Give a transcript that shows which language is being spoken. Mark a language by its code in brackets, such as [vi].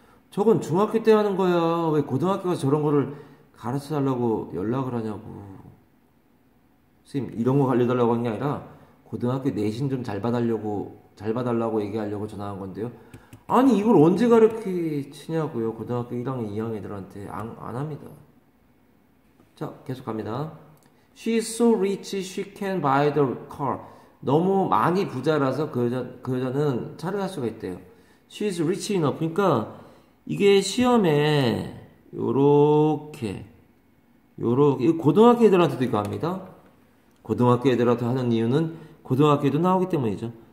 [ko] 저건 중학교 때 하는 거야. 왜 고등학교가 저런 거를 가르쳐 달라고 연락을 하냐고. 선생님, 이런 거 알려달라고 한게 아니라, 고등학교 내신 좀잘 봐달라고, 잘 봐달라고 얘기하려고 전화한 건데요. 아니, 이걸 언제 가르치냐고요. 고등학교 1학년, 2학년 애들한테. 안 합니다. 자, 계속 갑니다. [en] She's so rich she can buy the car. [ko] 너무 많이 부자라서 그 여자는 차를 살 수가 있대요. [en] She's rich enough. [ko] 그러니까, 이게 시험에, 요렇게, 고등학교 애들한테도 이거 합니다. 고등학교 애들한테 하는 이유는 고등학교에도 나오기 때문이죠.